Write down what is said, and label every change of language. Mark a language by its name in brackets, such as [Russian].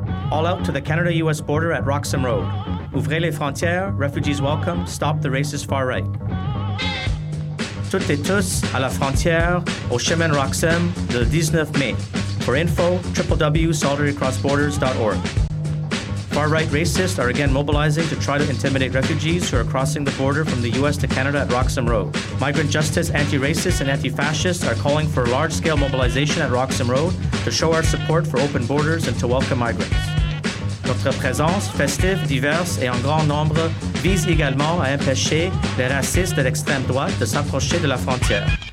[English] All out to the Canada-US border at Roxham Road. [French] Ouvrez les frontières, [English] refugees welcome, stop the racist far right. [French] Toutes et tous à la frontière, au chemin Roxham, le 19 mai. [English] For info, www.solidarycrossborders.org. Far-right racists are again mobilizing to try to intimidate refugees who are crossing the border from the U.S. to Canada at Roxham Road. Migrant justice, anti-racists, and anti-fascists are calling for a large-scale mobilization at Roxham Road to show our support for open borders and to welcome migrants. [French] Notre présence, festive, diverse et en grand nombre, vise également à empêcher les racistes de l'extrême droite de s'approcher de la frontière.